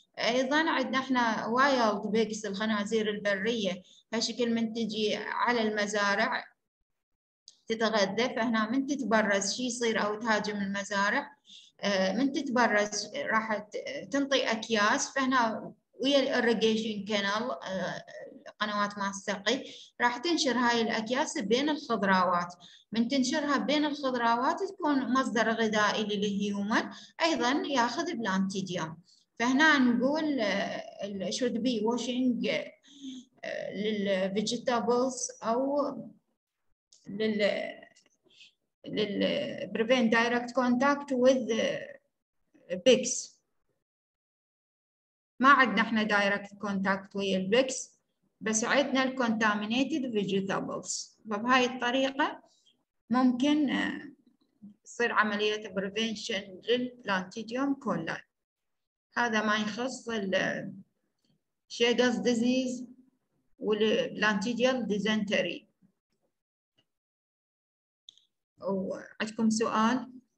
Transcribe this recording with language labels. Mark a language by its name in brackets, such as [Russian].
[Arabic] ايضا عندنا احنا وايلد بيكس الخنازير البريه هالشكل من تجي على المزارع تتغذى، فهنا من تتبرز شي يصير او تهاجم المزارع، من تتبرز راح تنطي اكياس، فهنا ويا الاريجيشن كانال قنوات ماء السقي راح تنشر هاي الاكياس بين الخضروات، من تنشرها بين الخضروات تكون مصدر غذائي للهيومن، ايضا ياخذ بلانتيديوم. فهنا نقول الـ [English] should be washing للـ vegetables أو للـ prevent direct contact with pigs. [Arabic] ما عدنا احنا [English] direct contact with pigs [Arabic] بس عدنا الـ [English] contaminated vegetables، [Arabic] فبهاي الطريقة ممكن تصير عملية prevention للـ plantidium coli. هذا ما يخص الشيغاز ديزيز والبلانتيديال ديزنتري. وعندكم سؤال؟